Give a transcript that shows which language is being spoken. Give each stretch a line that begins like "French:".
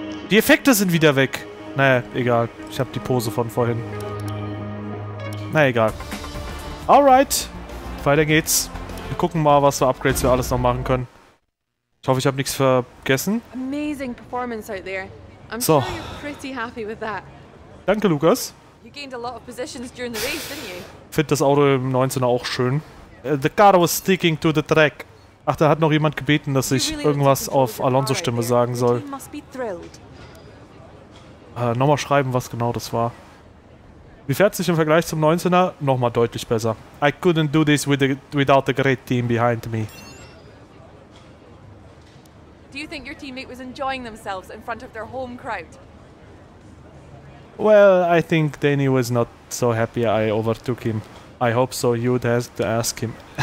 German: Die Effekte sind wieder weg. Naja, egal. Ich habe die Pose von vorhin. Naja, egal. Alright. Weiter geht's. Wir gucken mal, was für Upgrades wir alles noch machen können. Ich hoffe, ich habe nichts vergessen.
English: Amazing performance out there. I'm so. Sure you're pretty happy with that.
German: Danke, Lukas.
English: You gained a lot of positions during the race, didn't you?
German: Find das Auto im 19er auch schön.
English: The car was sticking to the track.
German: Ach, da hat noch jemand gebeten, dass ich
English: really
German: irgendwas auf Alonso Stimme sagen soll. Nochmal schreiben, was genau das war. Wie fährt sich im Vergleich zum 19er? Nochmal deutlich besser.
English: I couldn't do this without the great team behind me. Do you think your teammate was enjoying themselves in front of their home crowd? Well, I think Danny was not so happy I overtook him. I hope so, you'd have to ask him.